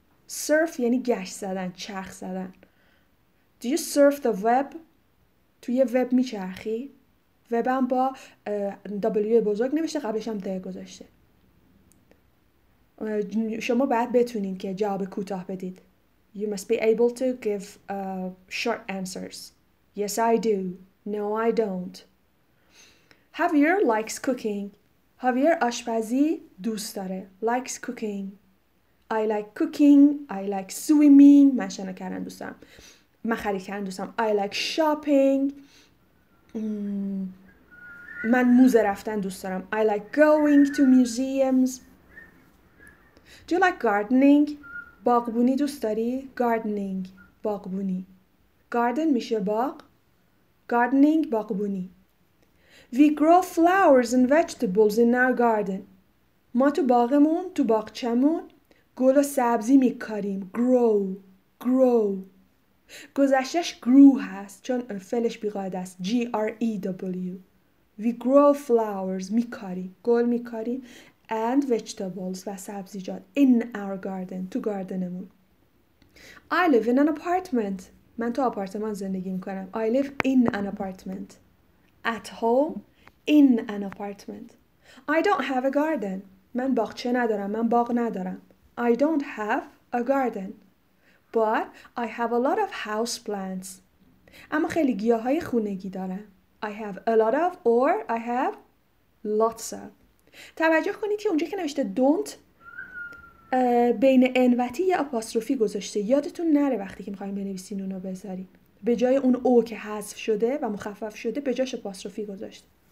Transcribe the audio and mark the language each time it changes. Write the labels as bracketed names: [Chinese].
[Persian] surf یعنی گشت زدن، چرخ زدن. [English] do you surf the web؟ [Persian] توی web میچرخی؟ web هم با w بزرگ نوشته، قبلش هم the گذاشته. شما باید بتونین که جواب کوتاه بدید. [English] you must be able to give short answers. yes I do. no I don't. Javier likes cooking. [Persian] Javier آشپزی دوست داره. [English] Likes cooking. I like cooking. I like swimming. [Persian] من شنا کردن دوستم. من خرید کردن دوستم. [English] I like shopping. [Persian] من موزه رفتن دوست دارم. [English] I like going to museums. Do you like gardening? [Persian] باغبونی دوست داری؟ [English] Gardening. باغبونی. [Persian] Garden میشه باغ. Gardening باغبونی. [English] We grow flowers and vegetables in our garden. [Persian] ما تو باغمون، تو باغچمون گل و سبزی میکاریم. [English] Grow. Grow. [Persian] گذشتش grew هست چون فعلش بیقاعده است. [English] G-R-E-W. We grow flowers. [Persian] میکاریم. گل میکاریم. [English] And vegetables [Persian] و سبزیجات. [English] In our garden. [Persian] تو گاردنمون. [English] I live in an apartment. [Persian] من تو آپارتمان زندگی میکنم. [English] I live in an apartment. At home. In an apartment. I don't have a garden. [Persian] من باغچه ندارم. من باغ ندارم. [English] I don't have a garden. But I have a lot of house plants. [Persian] اما خیلی گیاهای خونگی دارم. [English] I have a lot of or I have lots of. [Persian] توجه کنید که اونجا که نوشته don't بین n و t یه آپاستروفی گذاشته. یادتون نره وقتی که میخواییم بنویسین اونو بذاریم. به جای اون او که حذف شده و مخفف شده به جاش آپاستروفی گذاشته.